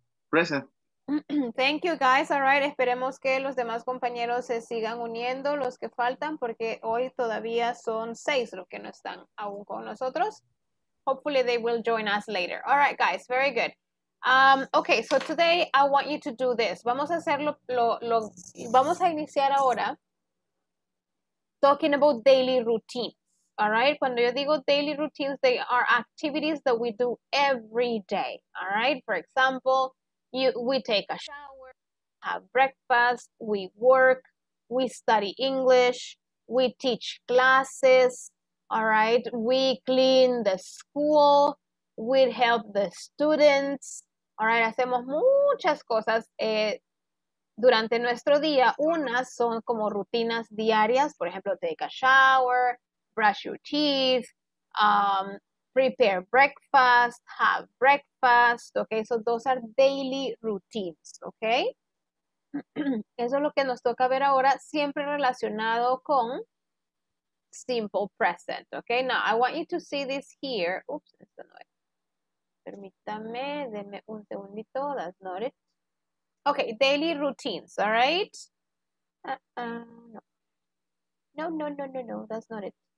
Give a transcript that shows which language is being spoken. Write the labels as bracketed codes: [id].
[en] Present. Thank you, guys. All right. [es] Esperemos que los demás compañeros se sigan uniendo, los que faltan, porque hoy todavía son 6 los que no están aún con nosotros. [en] Hopefully, they will join us later. All right, guys. Very good. Okay. So, today, I want you to do this. [es] Vamos a hacerlo, vamos a iniciar ahora [en] talking about daily routines. All right. [es] Cuando yo digo [en] daily routines, they are activities that we do every day. All right. For example, we take a shower, have breakfast, we work, we study English, We teach classes, all right? We clean the school. We help the students, all right? [es] Hacemos muchas cosas durante nuestro día. Unas son como rutinas diarias, por ejemplo, [en] take a shower, brush your teeth, prepare breakfast, have breakfast, okay? So those are daily routines, okay? [es] Eso es lo que nos toca ver ahora, siempre relacionado con simple present, okay? [en] Now, I want you to see this here. [es] Oops, esto no es. Permítame, denme un segundito, [en] that's not it. Okay, daily routines, all right? No, that's not it.